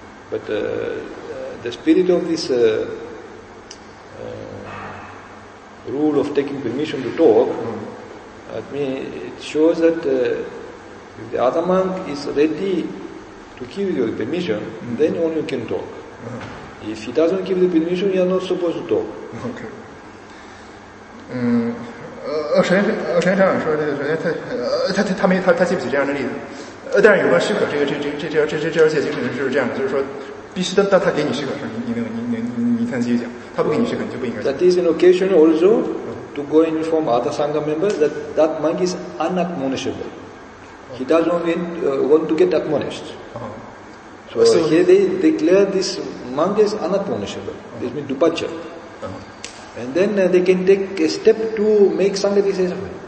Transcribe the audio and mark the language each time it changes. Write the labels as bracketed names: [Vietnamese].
[English] But the spirit of this rule of taking permission to talk, at me, it shows that if the other monk is ready to give you the permission, then only you can talk. Uh-huh. If he doesn't give the permission, you are not supposed to talk. Okay. [Chinese] 首先这样说，首先他记不起这样的例子，但是有关许可，这条界精神就是这样的，就是说必须当他给你许可时，你才能继续讲，他不给你许可，你就不应该讲。 [English] That is an occasion also to go and inform other sangha members that that monk is unadmonishable. He doesn't want to get admonished. So here they declare this monk is unadmonishable. This means dupaccha. And then they can take a step to make sangha disciple.